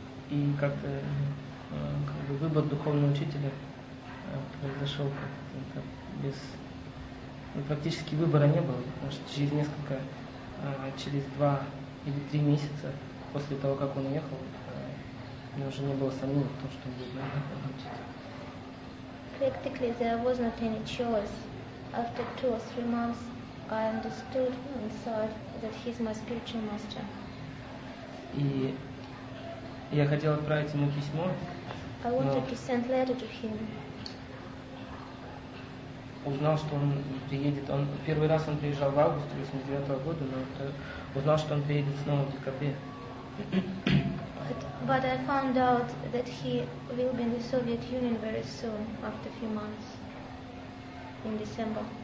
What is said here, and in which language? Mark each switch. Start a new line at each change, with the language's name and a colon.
Russian: И как-то выбор духовного учителя произошел как-то без. Практически выбора не было, потому что через два или три месяца после того, как он уехал, у меня уже не было сомнений в том, что он будет духовным учителем.
English: Practically there was not any choice. After 2 or 3 months, I understood inside that that he's my spiritual master.
Russian: И я хотел отправить ему письмо.
English: I wanted to send letter to him.
Russian: Узнал, что он приедет. Он первый раз он приезжал в августе 1989 года, но это, узнал, что он приедет снова в декабре.
English: But I found out that he will be in the Soviet Union very soon, after a few months, in December.